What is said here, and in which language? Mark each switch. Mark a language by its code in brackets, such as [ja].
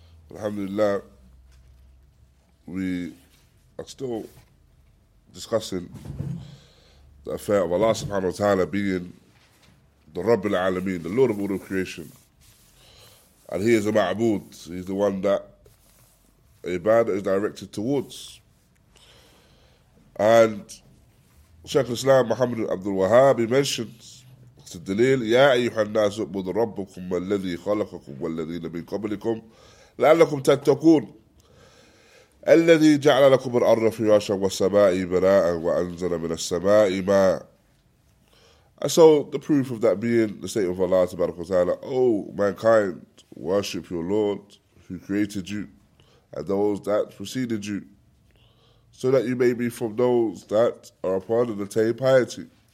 [en] الحمد لله we are still discussing the affair of Allah سبحانه وتعالى being the Rabb al-Alameen, the Lord of all of creation. And he is a ma'bud. He's the one that ibadah is directed towards. [ar] And Shaykh al-Islam Muhammad al-Abdulwahhab, he mentions to Dalil, يَا أَيُّهَا النَّاسُ اُبْبُدُ رَبُّكُمْ وَالَّذِي خَلَقَكُمْ وَالَّذِينَ مِنْ قَبْلِكُمْ لَعَلَّكُمْ تَتَّقُونَ الَّذِي جَعْلَ لَكُمُ الْأَرْضَ فِرَاشًا وَالسَّمَاءَ بِنَاءً وَأَنْزَلَ مِنَ السَّمَاءِ مَاءً. [en] And so the proof of that being the statement of Allah subhanahu wa ta'ala, oh mankind, worship your Lord who created you and those that preceded you, so that you may be from those that are upon and attain piety.